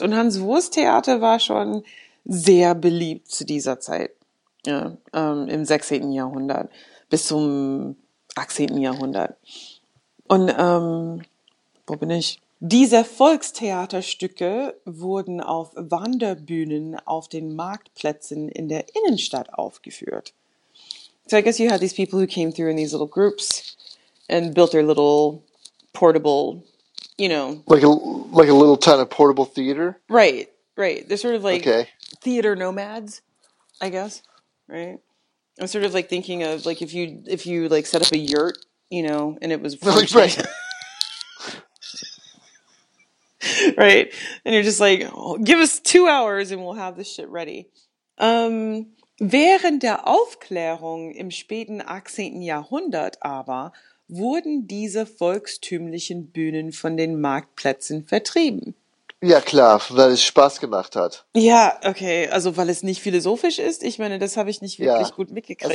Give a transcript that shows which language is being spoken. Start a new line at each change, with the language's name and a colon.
German: Und Hanswurst-Theater war schon sehr beliebt zu dieser Zeit, ja, im 16. Jahrhundert bis zum 18. Jahrhundert. Und, wo bin ich? Diese Volkstheaterstücke wurden auf Wanderbühnen auf den Marktplätzen in der Innenstadt aufgeführt.
English: So I guess you had these people who came through in these little groups and built their little portable, you know. Like a little kind of portable theater? Right. They're sort of like theater nomads, I guess, right? I'm sort of like thinking of like if you like set up a yurt, you know, and it was right. Right. And you're just like, oh, give us 2 hours and we'll have this shit ready.
German: Während der Aufklärung im späten 18. Jahrhundert aber wurden diese volkstümlichen Bühnen von den Marktplätzen vertrieben. Ja, klar, weil es Spaß gemacht hat. Ja, okay, also weil es nicht philosophisch ist. Ich meine, das habe ich nicht wirklich gut mitgekriegt.